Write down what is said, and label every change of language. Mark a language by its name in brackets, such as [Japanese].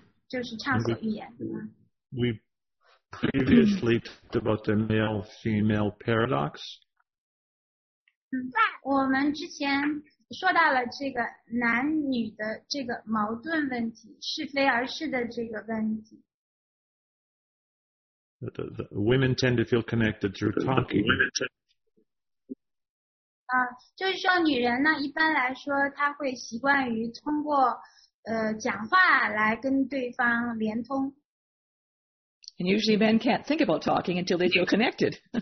[English] We previously talked about the male-female paradox. [Chinese] 我们之前说到了这个男女的这个矛盾问题，是非而是的这个问题。 [English] The women tend to feel connected through talking. [Chinese] 就是说女人呢，一般来说她会习惯于通过。讲话来跟对方连通。 [English] And usually men can't think about talking until they feel connected.